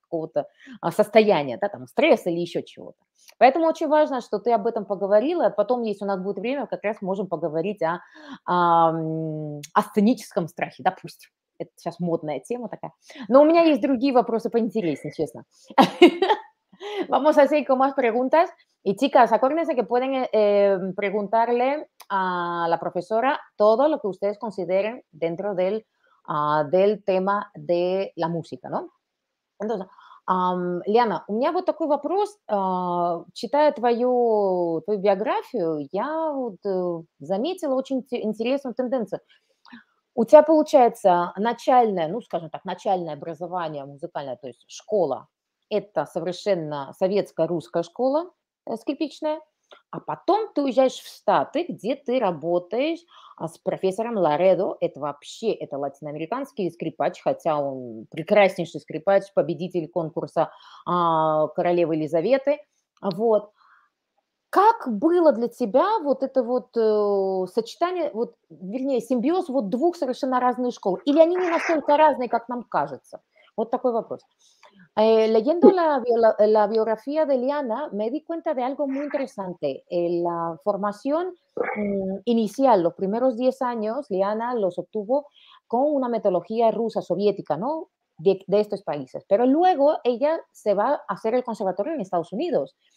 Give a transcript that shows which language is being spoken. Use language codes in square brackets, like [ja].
[ru] какого-то состояния, да, там, стресса или еще чего-то. Поэтому очень важно, что ты об этом поговорила. Потом, если у нас будет время, как раз можем поговорить о сценическом страхе, допустим. Это сейчас модная тема такая. Но у меня есть другие вопросы поинтереснее, честно. [es] Vamos a hacer con más preguntas. Y chicas, acuérdense que pueden preguntarle a la profesora todo lo que ustedes consideren dentro del, del tema de la música, ¿no? Entonces, [ru] Лиана, у меня вот такой вопрос. Читая твою биографию, я вот заметила очень интересную тенденцию. У тебя получается начальное, ну, скажем так, начальное образование музыкальное, то есть школа, это совершенно советская русская школа скрипичная, а потом ты уезжаешь в Штаты, где ты работаешь с профессором Ларедо, это вообще, это латиноамериканский скрипач, хотя он прекраснейший скрипач, победитель конкурса «Королевы Елизаветы», вот. Как было для тебя вот это вот сочетание, вот, вернее, симбиоз вот двух совершенно разных школ? Или они не настолько разные, как нам кажется? Вот такой вопрос. [es] Leyendo la biografía de Лиана, me di cuenta de algo muy interesante. La formación inicial, los primeros 10 años, Лиана los obtuvo con una metodología rusa, soviética, ¿no? De estos países. Pero luego ella se va a hacer el conservatorio en Estados Unidos.